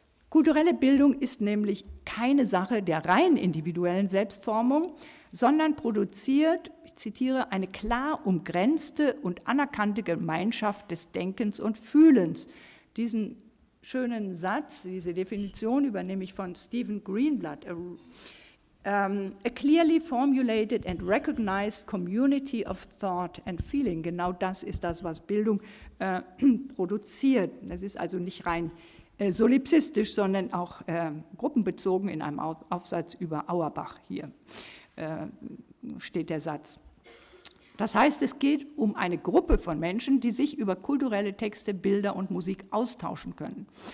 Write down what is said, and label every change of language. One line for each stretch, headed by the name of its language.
German: Kulturelle Bildung ist nämlich keine Sache der rein individuellen Selbstformung, sondern produziert, ich zitiere, eine klar umgrenzte und anerkannte Gemeinschaft des Denkens und Fühlens. Diesen schönen Satz, diese Definition übernehme ich von Stephen Greenblatt.
English: A clearly formulated and recognized community of thought and feeling.
German: Genau das ist das, was Bildung produziert. Das ist also nicht rein solipsistisch, sondern auch gruppenbezogen in einem Aufsatz über Auerbach. Hier steht der Satz. Das heißt, es geht um eine Gruppe von Menschen, die sich über kulturelle Texte, Bilder und Musik austauschen können.